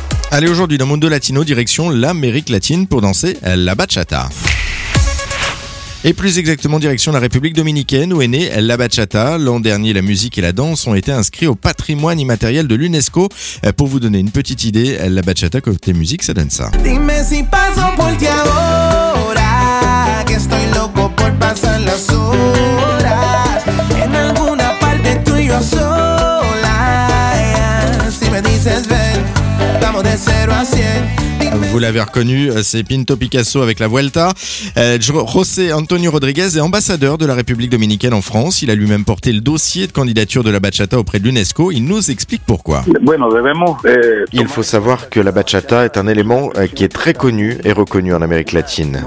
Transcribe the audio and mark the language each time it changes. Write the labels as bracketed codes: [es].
[fr] Allez, aujourd'hui dans Mundo Latino, direction l'Amérique latine pour danser la bachata. Et plus exactement, direction la République dominicaine où est née la bachata. L'an dernier, la musique et la danse ont été inscrits au patrimoine immatériel de l'UNESCO. Pour vous donner une petite idée, la bachata côté musique, ça donne ça. [es] Dime si paso por ti ahora, que estoy loco por pasar las horas. En alguna parte tú y yo sola, si me dices ven, vamos de cero a cien. [fr] Vous l'avez reconnu, c'est Pinto Picasso avec la Vuelta. José Antonio Rodriguez est ambassadeur de la République dominicaine en France. Il a lui-même porté le dossier de candidature de la bachata auprès de l'UNESCO. Il nous explique pourquoi. Il faut savoir que la bachata est un élément qui est très connu et reconnu en Amérique latine.